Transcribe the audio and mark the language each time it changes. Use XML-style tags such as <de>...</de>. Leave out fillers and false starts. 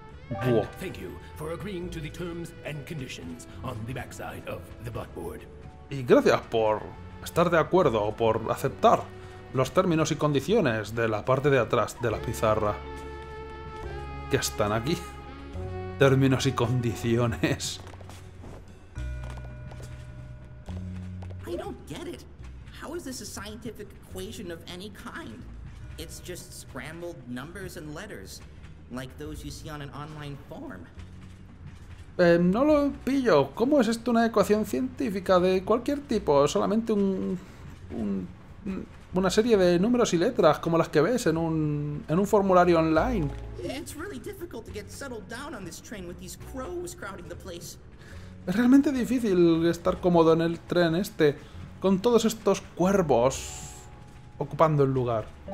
<en>And thank you for agreeing to the terms and conditions on the backside of the blackboard.</en> <es>Y gracias por estar de acuerdo o por aceptar los términos y condiciones de la parte de atrás de la pizarra. Que están aquí. Términos y condiciones.</es> <en>I don't get it. How is this a scientific equation of any kind? It's just scrambled numbers and letters, like those you see on an online form.</en> <es>No lo pillo. ¿Cómo es esto una ecuación científica de cualquier tipo? Solamente una serie de números y letras, como las que ves en un formulario online. Es realmente difícil estar cómodo en el tren este, con todos estos cuervos ocupando el lugar.</es>